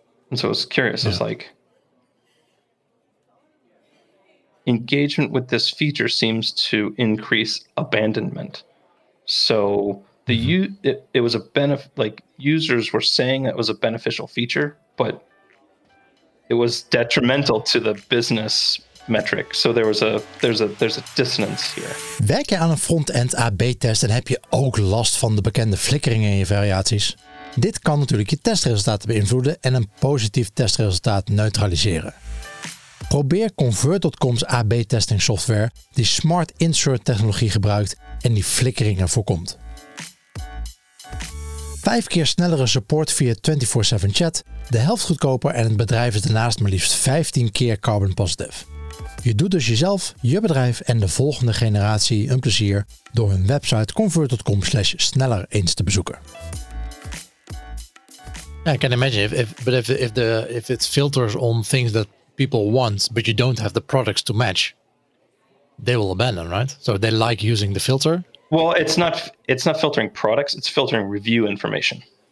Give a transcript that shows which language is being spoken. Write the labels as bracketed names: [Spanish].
[English] And so I was curious, it's like, engagement with this feature seems to increase abandonment. So it was a benefit, like users were saying that it was a beneficial feature, but it was detrimental to the business metric. So there's a dissonance here. [Dutch] Werk je aan een front-end AB test en heb je ook last van de bekende flikkeringen in je variaties? Dit kan natuurlijk je testresultaten beïnvloeden en een positief testresultaat neutraliseren. Probeer Convert.com's AB testing software die smart insert technologie gebruikt en die flikkeringen voorkomt. 5 keer snellere support via 24/7 chat, de helft goedkoper en het bedrijf is daarnaast maar liefst 15 keer carbon positive. Je doet dus jezelf, je bedrijf en de volgende generatie een plezier door hun website convert.com/sneller eens te bezoeken. [English] I can imagine if it filters on things that people want, but you don't have the products to match, they will abandon, right? So they like using the filter. Well, it's not filtering products; it's filtering review information.